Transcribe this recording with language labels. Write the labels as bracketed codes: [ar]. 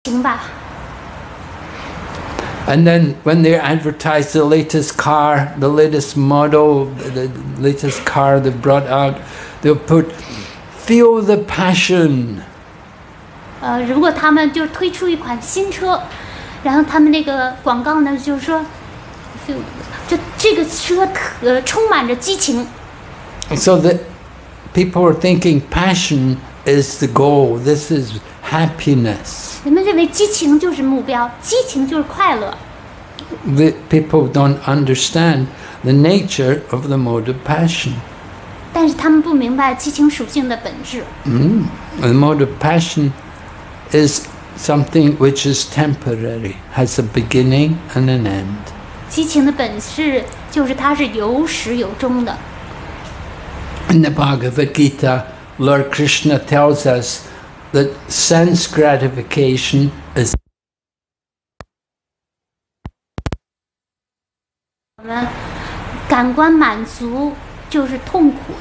[en] And then when they advertise the latest car, the latest model, the latest car they brought out, they'll put, feel the passion. [zh] 如果他们就推出一款新车，然后他们那个广告呢，就是说， 就这个车充满着激情。 [en] So the people are thinking passion is the goal. This is happiness. [zh] 人们认为激情就是目标，激情就是快乐。 [en] The people don't understand the nature of the mode of passion. [zh] 但是他们不明白激情属性的本质。 [en] The mode of passion is something which is temporary, has a beginning and an end. [zh] 激情的本质就是它是有始有终的。 [en] In the Bhagavad Gita, Lord Krishna tells us that sense gratification is [zh] 感官满足就是痛苦。